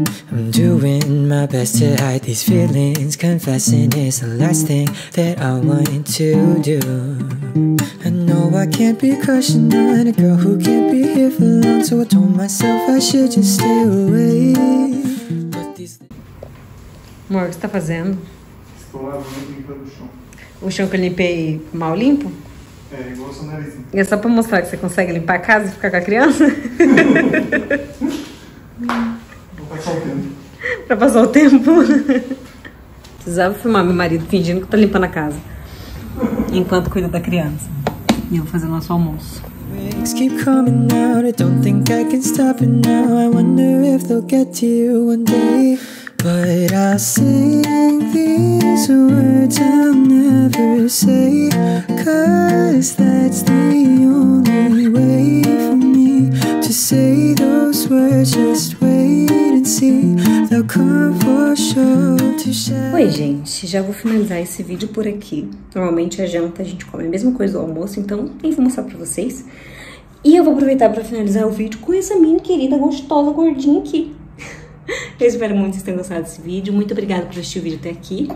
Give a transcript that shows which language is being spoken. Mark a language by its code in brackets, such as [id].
[en] I'm doing my best to hide these feelings, confessing is the last thing that I want to do. I know I can't be crushing on a girl who can't be here for long, so I told myself I should just stay away. [pt] Amor, o que você tá fazendo? Estou lavando e limpando o chão. O chão que eu limpei mal limpo? É, igual o seu nariz. E é só pra mostrar que você consegue limpar a casa e ficar com a criança? Pra passar o tempo. Pra passar o tempo? Precisava filmar meu marido fingindo que tá limpando a casa. Enquanto cuida da criança. E eu vou fazer o nosso almoço. [en] Things keep coming out, I don't think I can stop it now. I wonder if they'll get to you one day. But I'll sing these words I'll never say, 'cause that's the only way for me to say those words. Just wait and see, they'll come for sure to share. [pt] Oi, gente, já vou finalizar esse vídeo por aqui. Normalmente a janta a gente come a mesma coisa do almoço, então eu vou mostrar pra vocês. E eu vou aproveitar pra finalizar o vídeo com essa minha querida gostosa gordinha aqui. Eu espero muito que vocês tenham gostado desse vídeo. Muito obrigada por assistir o vídeo até aqui.